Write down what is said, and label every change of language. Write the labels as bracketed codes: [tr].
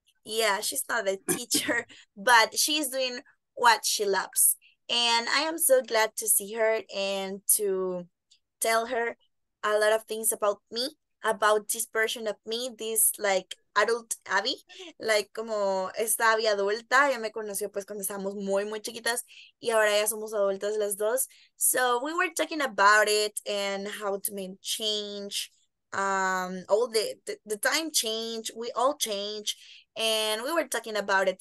[en] Yeah, she's not a teacher, but she's doing what she loves. And I am so glad to see her and to tell her a lot of things about me, about this version of me, this like adult Abby, like [es] como esta Abby adulta. Ya me conoció pues cuando estábamos muy, muy chiquitas, y ahora ya somos adultas las dos. [en] So we were talking about it and how to make change. All the time change, we all change, and we were talking about it.